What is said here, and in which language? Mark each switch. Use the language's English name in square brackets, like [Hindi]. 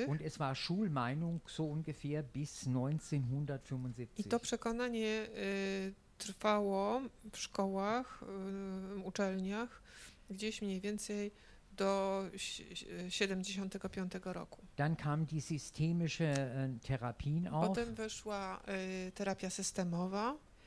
[German] Und es war Schulmeinung so ungefähr bis 1975. [Polish] I to przekonanie trwało w szkołach, uczelniach gdzieś mniej więcej do 75 roku. [German] Dann kam die systemische Therapien auf. [Polish] Potem weszła terapia systemowa.